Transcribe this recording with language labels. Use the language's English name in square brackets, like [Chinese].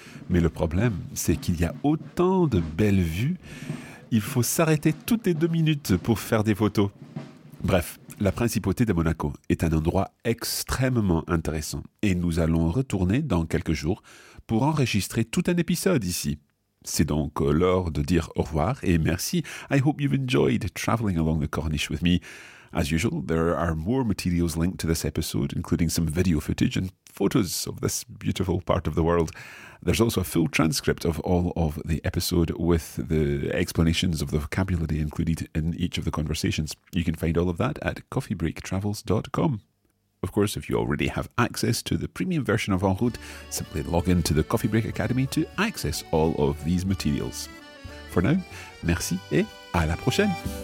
[French] Mais le problème, c'est qu'il y a autant de belles vues, il faut s'arrêter toutes les deux minutes pour faire des photos. Bref, la principauté de Monaco est un endroit extrêmement intéressant et nous allons retourner dans quelques jours pour enregistrer tout un épisode ici. C'est donc l'heure de dire au revoir et merci. [English] I hope you've enjoyed traveling along the Corniche with me. As usual, there are more materials linked to this episode, including some video footage and photos of this beautiful part of the world. There's also a full transcript of all of the episode with the explanations of the vocabulary included in each of the conversations. You can find all of that at coffeebreaktravels.com. Of course, if you already have access to the premium version of En Route, simply log in to the Coffee Break Academy to access all of these materials. For now, [French] merci et à la prochaine!